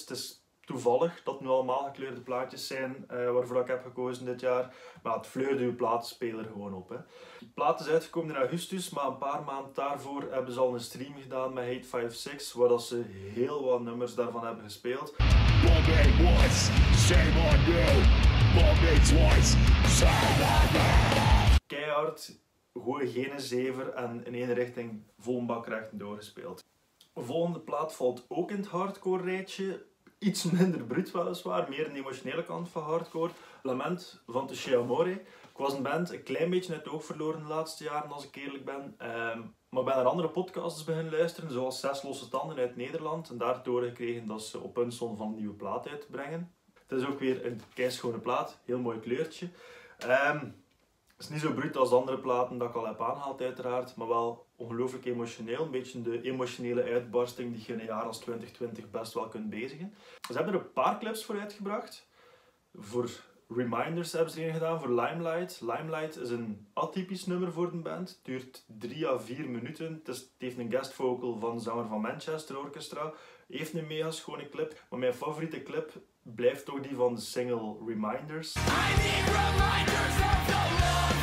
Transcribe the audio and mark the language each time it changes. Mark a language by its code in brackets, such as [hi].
[nl] Het is toevallig dat nu allemaal gekleurde plaatjes zijn waarvoor ik heb gekozen dit jaar. Maar het fleurde uw plaatspeler gewoon op. Hè. De plaat is uitgekomen in augustus, maar een paar maanden daarvoor hebben ze al een stream gedaan met Hate 56, waar dat ze heel wat nummers daarvan hebben gespeeld. [en] Bombay once, shame on you. Bombay twice, shame on me. [nl] Keihard, gooi geen zever en in één richting vol een bak recht doorgespeeld. De volgende plaat valt ook in het hardcore rijtje. Iets minder bruut weliswaar, meer een emotionele kant van hardcore. Lament van Touché Amore. Ik was een band een klein beetje uit het oog verloren de laatste jaren, als ik eerlijk ben. Maar ben er andere podcasts beginnen luisteren, zoals Zes Losse Tanden uit Nederland. En daardoor gekregen dat ze op punt stonden van een nieuwe plaat uit te brengen. Het is ook weer een keischone plaat, heel mooi kleurtje. Het is niet zo bruut als andere platen dat ik al heb aangehaald uiteraard, maar wel ongelooflijk emotioneel. Een beetje de emotionele uitbarsting die je in een jaar als 2020 best wel kunt bezigen. Ze hebben er een paar clips voor uitgebracht. Voor Reminders hebben ze erin gedaan, voor Limelight. Limelight is een atypisch nummer voor de band. Het duurt 3 à 4 minuten. Het heeft een guest vocal van de zanger van Manchester Orchestra. Heeft een mega schone clip. Maar mijn favoriete clip blijft toch die van de single Reminders. [en] I need reminders of the love.